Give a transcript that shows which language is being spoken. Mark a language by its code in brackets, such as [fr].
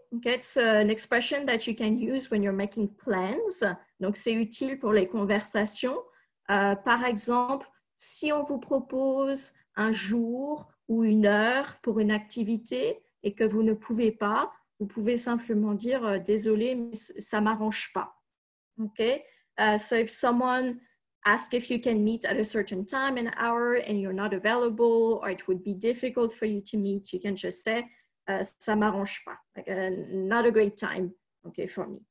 [en] Okay, it's an expression that you can use when you're making plans. [fr] Donc c'est utile pour les conversations. Par exemple, si on vous propose un jour ou une heure pour une activité et que vous ne pouvez pas, vous pouvez simplement dire désolé, mais ça m'arrange pas. [en] OK? So if someone asks if you can meet at a certain time and hour and you're not available or it would be difficult for you to meet, you can just say [fr] ça m'arrange pas. [en] Like, not a great time, okay, for me.